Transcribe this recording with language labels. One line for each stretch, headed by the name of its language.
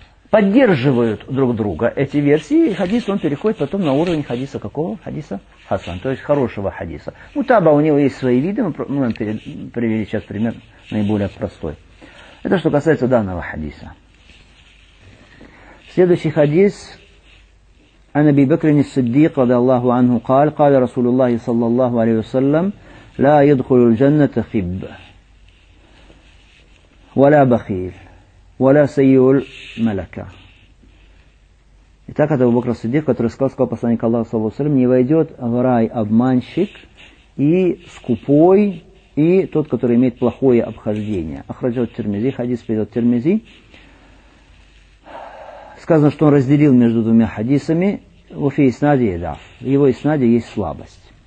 Russian: Поддерживают друг друга эти версии, и хадис, он переходит потом на уровень хадиса какого? Хадиса Хасан, то есть хорошего хадиса. Мутаба, у него есть свои виды, мы привели сейчас пример наиболее простой. Это что касается данного хадиса. Следующий хадис.
Arabic: عن أبي بكر الصديق رضي الله عنه قال قال رسول الله صلى الله عليه وسلم لا يدخل الجنة خب ولا بخيل ولا سيء الملكة.
Russian: Итак, это Абу Бакр ас-Сиддик, который сказал посланнику Аллаха
Arabic: صلى الله عليه وسلم,
Russian: не войдет в рай обманщик и скупой и тот, который имеет плохое обхождение. Ахраджа ат-Тирмизи, хадис перед ат-Тирмизи. Сказано, что он разделил между двумя хадисами. В уфе иснаде, да, в его иснаде есть слабость.